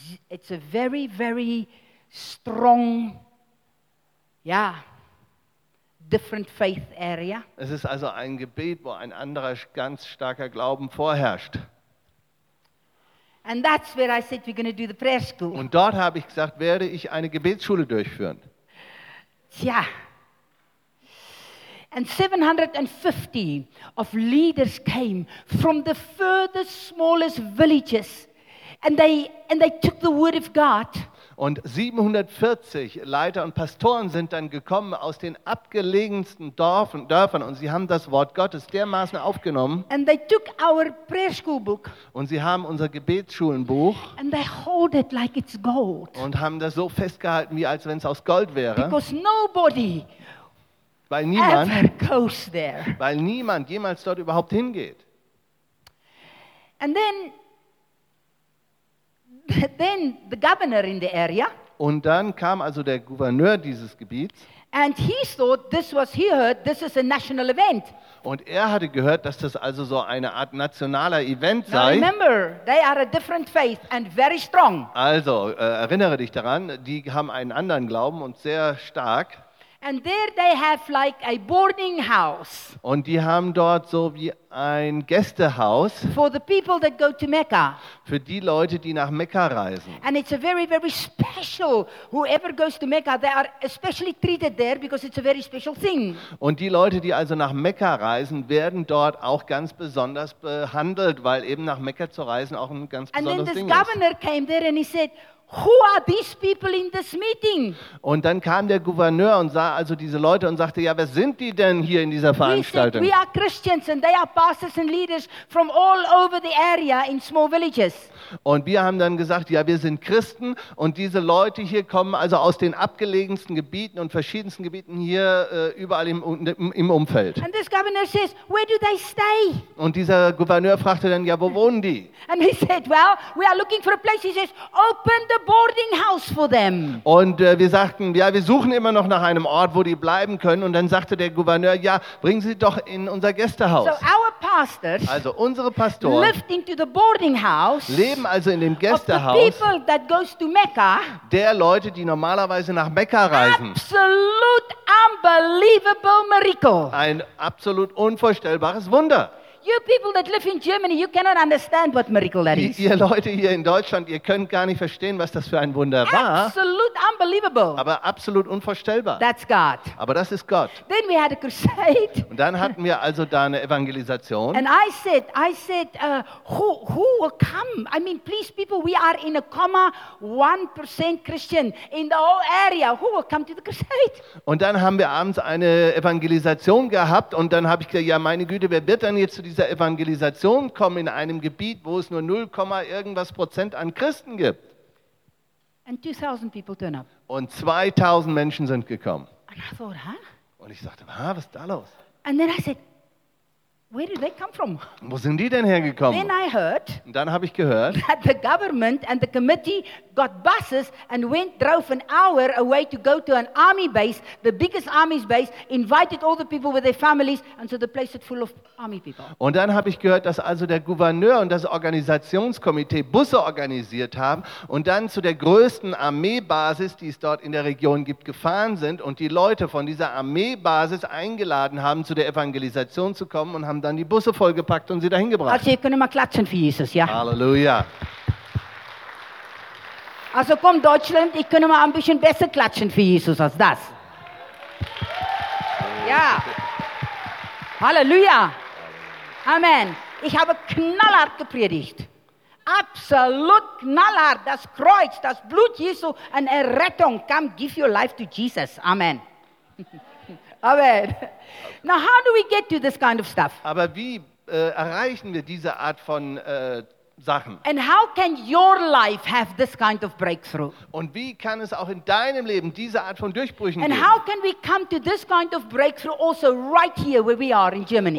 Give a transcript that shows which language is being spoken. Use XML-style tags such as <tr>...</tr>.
<en>It's a very, very strong, yeah, different faith area.</en> <de>Es ist also ein Gebiet, wo ein anderer ganz starker Glauben vorherrscht.</de> <en>And that's where I said we're going to do the prayer school.</en> <de>Und dort habe ich gesagt, werde ich eine Gebetsschule durchführen. Tja.</de> <en>And 750 of leaders came from the furthest, smallest villages, and they took the word of God.</en> <de>Und 740 Leiter und Pastoren sind dann gekommen aus den abgelegensten Dörfern und sie haben das Wort Gottes dermaßen aufgenommen.</de> <en>And they took our prayer school book.</en> <de>Und sie haben unser Gebetsschulenbuch.</de> <en>And they hold it like it's gold.</en> <de>Und haben das so festgehalten, wie als wenn es aus Gold wäre.</de> <en>Because nobody.</en> <de>Weil niemand jemals dort überhaupt hingeht.</de> <en>And then the governor in the area.</en> <de>Und dann kam also der Gouverneur dieses Gebiets.</de> <en>And he thought this is a national event.</en> <de>Und er hatte gehört, dass das also so eine Art nationaler Event sei.</de> <en>Now remember, they are a different faith and very strong.</en> <de>Also erinnere dich daran, die haben einen anderen Glauben und sehr stark.</de> <en>And there they have like a boarding house.</en> <de>Und die haben dort so wie ein Gästehaus.</de> <en>For the people that go to Mecca.</en> <de>Für die Leute, die nach Mekka reisen.</de> <en>And it's a very, very special. Whoever goes to Mecca, they are especially treated there because it's a very special thing.</en> <de>Und die Leute, die also nach Mekka reisen, werden dort auch ganz besonders behandelt, weil eben nach Mekka zu reisen auch ein ganz besonderes Ding ist.</de> <en>And then this governor came there and he said, who are these people in this meeting?</en> <de>Und dann kam der Gouverneur und sah also diese Leute und sagte, ja, wer sind die denn hier in dieser Veranstaltung?</de> <en>We are Christians and they are pastors and leaders from all over the area in small villages.</en> <de>Und wir haben dann gesagt, ja, wir sind Christen und diese Leute hier kommen also aus den abgelegensten Gebieten und verschiedensten Gebieten hier überall im Umfeld.</de> <en>And this governor says, where do they stay?</en> <de>Und dieser Gouverneur fragte dann, ja, wo wohnen die?</de> <en>And he said, well, we are looking for a place. He says, open the boarding house for them.</en> <de>Und wir sagten, ja, wir suchen immer noch nach einem Ort, wo die bleiben können. Und dann sagte der Gouverneur, ja, bringen Sie doch in unser Gästehaus.</de> <en>So our pastors,</en> <de>also unsere Pastoren,</de> <en>lift into the boarding house,</en> <de>leben also in dem Gästehaus</de> <en>of the people that goes to Mecca,</en> <de>der Leute, die normalerweise nach Mekka reisen.</de> <en>Absolute unbelievable miracle.</en> <de>Ein absolut unvorstellbares Wunder.</de> <en>You people that live in Germany, you cannot understand what miracle that is.</en> <de>Ihr Leute hier in Deutschland, ihr könnt gar nicht verstehen, was das für ein Wunder war.</de> <en>Absolute unbelievable.</en> <de>Aber absolut unvorstellbar.</de> <en>That's God.</en> <de>Aber das ist Gott.</de> <en>Then we had a crusade.</en> <de>Und dann hatten wir also da eine Evangelisation.</de> <en>And I said, who will come? I mean, please people, we are in a 1% Christian in the whole area. Who will come to the crusade?</en> <de>Und dann haben wir abends eine Evangelisation gehabt und dann habe ich gesagt, ja, meine Güte, wer wird denn jetzt zu dieser Evangelisation kommen in einem Gebiet, wo es nur 0, irgendwas Prozent an Christen gibt?</de> <en>And 2000 people turn up.</en> <de>Und 2000 Menschen sind gekommen.</de> <en>And I thought, huh?</en> <de>Und ich sagte, was ist da los?</de> <en>And then I said, where did they come from?</en> <de>Wo sind die denn hergekommen?</de> <en>Then I heard,</en> <de>und dann habe ich gehört,</de> <en>that the government and the committee got buses and went drove an hour away to go to an army base, the biggest army base, invited all the people with their families, and so the place is full of army people.</en> <de>Und dann habe ich gehört, dass also der Gouverneur und das Organisationskomitee Busse organisiert haben und dann zu der größten Armeebasis, die es dort in der Region gibt, gefahren sind und die Leute von dieser Armeebasis eingeladen haben, zu der Evangelisation zu kommen und haben dann die Busse vollgepackt und sie dahin gebracht. Also, ihr könnt mal klatschen für Jesus, ja? Halleluja. Also, komm, Deutschland, ich könnte mal ein bisschen besser klatschen für Jesus als das. Ja. Halleluja. Amen. Ich habe knallhart gepredigt. Absolut knallhart. Das Kreuz, das Blut Jesu, eine Errettung.</de> <en>Come, give your life to Jesus.</en> <de>Amen. Amen.</de> <en>Now, how do we get to this kind of stuff?</en> <de>Aber wie erreichen wir diese Art von Sachen?</de> <en>And how can your life have this kind of breakthrough?</en> <de>Und wie kann es auch in deinem Leben diese Art von Durchbrüchen</de> <en>and</en> <de>geben?</de> <en>How can we come to this kind of breakthrough also right here where we are in Germany?</en>